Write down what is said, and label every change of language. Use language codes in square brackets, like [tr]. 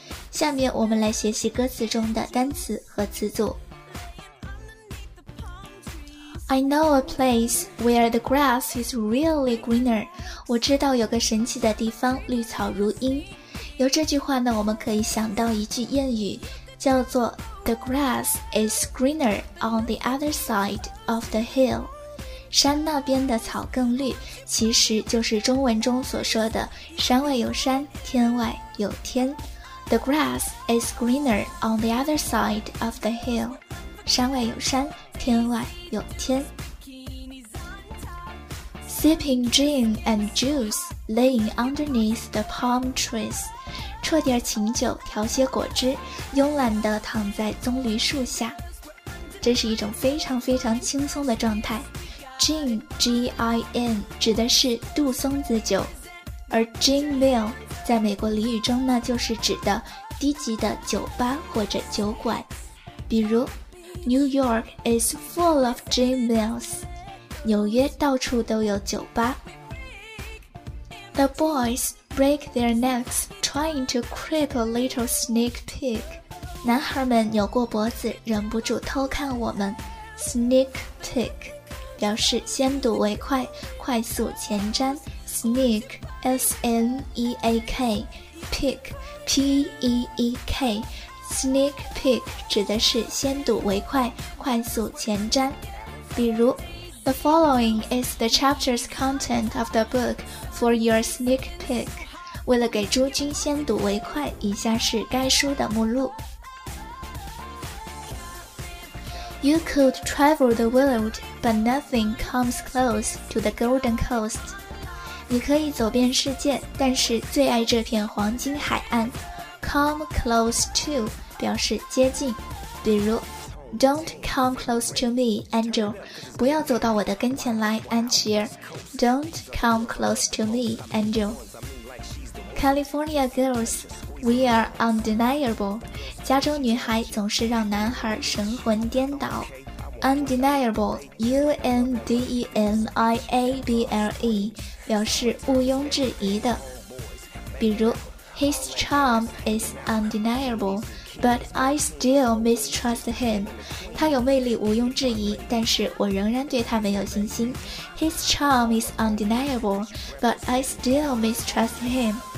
[zh] 下面我们来学习歌词中的单词和词组。 [en] I know a place where the grass is really greener. [zh] 我知道有个神奇的地方，绿草如茵。由这句话呢，我们可以想到一句谚语，叫做 [en] The grass is greener on the other side of the hill. [zh] 山那边的草更绿，其实就是中文中所说的山外有山，天外有天。 [en] The grass is greener on the other side of the hill. [zh] 山外有山，天外有天。 [en] Sipping gin and juice, laying underneath the palm trees. [zh] 啜点琴酒，调些果汁，慵懒地躺在棕榈树下。这是一种非常非常轻松的状态。 Gin, G-I-N, 指的是杜松子酒，而 gin mill 在美国俚语中呢，就是指的低级的酒吧或者酒馆。比如 [en] New York is full of gin mills. [zh] 纽约到处都有酒吧。 [en] The boys break their necks trying to creep a little sneak peek. [zh] 男孩们扭过脖子，忍不住偷看我们。 Sneak peek 表示先睹为快，快速前瞻。 [en] Sneak, S-N-E-A-K, peek, P-E-E-K. [zh] Sneak peek 指的是先睹为快，快速前瞻。比如 [en] The following is the chapter's content of the book for your sneak peek. [zh] 为了给诸君先睹为快，以下是该书的目录。 [en] You could travel the world, but nothing comes close to the Golden Coast. [zh] 你可以走遍世界，但是最爱这片黄金海岸。 [en] Come close to [zh] 表示接近，比如 [en] Don't come close to me, Angel. [zh] 不要走到我的跟前来，安琪儿。 [en] Don't come close to me, Angel. California girls, we are undeniable. [zh] 加州女孩总是让男孩神魂颠倒。 Undeniable, U-N-D-E-N-I-A-B-L-E, 表示毋庸置疑的。比如 [en] His charm is undeniable. But I still mistrust him. [zh] 他有魅力毋庸置疑，但是我仍然对他没有信心。 [en] His charm is undeniable, but I still mistrust him.